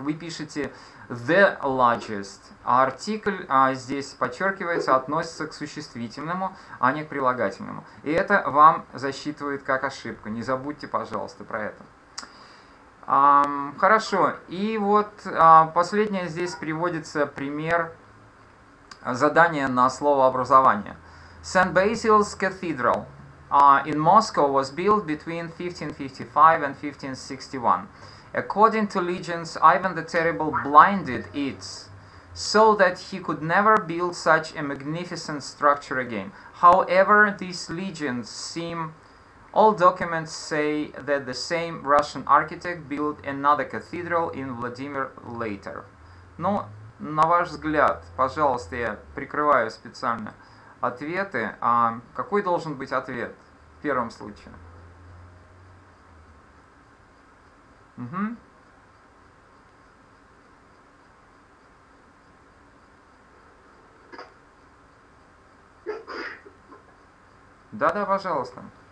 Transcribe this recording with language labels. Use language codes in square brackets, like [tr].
[ru] Вы пишете the largest, а артикль здесь подчеркивается, относится к существительному, а не к прилагательному. И это вам засчитывает как ошибка. Не забудьте, пожалуйста, про это. Хорошо, и вот последнее здесь приводится пример задания на слово образование. [en] St. Basil's Cathedral in Moscow was built between 1555 and 1561. According to legends, Ivan the Terrible blinded it so that he could never build such a magnificent structure again. However, these legends seem... All documents say that the same Russian architect built another cathedral in Vladimir later. [ru] Ну, на ваш взгляд, пожалуйста, я прикрываю специально ответы. А какой должен быть ответ в первом случае? Угу. Да-да, пожалуйста.